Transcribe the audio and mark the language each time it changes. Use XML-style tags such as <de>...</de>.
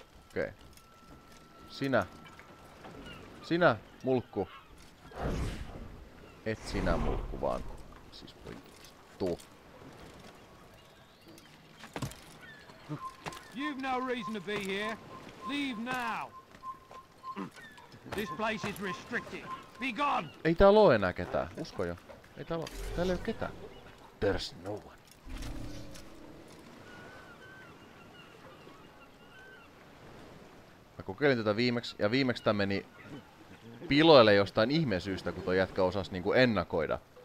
<fi>Okei. Okay. Sinä, mulkku. Et sinä, mulkku, vaan. Siis poikki. Tuu.</fi> <en>You've no reason to be here. Leave now. This place is restricted. Be gone.</en> <fi>Ei täällä oo enää ketään. Usko jo. Ei täällä oo. Täällä ei oo ketään.</fi> <en>There's no one.</en> <fi>Mä kokeilin tätä viimeksi ja viimeksi tää meni piloille jostain ihmeen syystä, kun toi jätkä osas niinku ennakoida.</fi>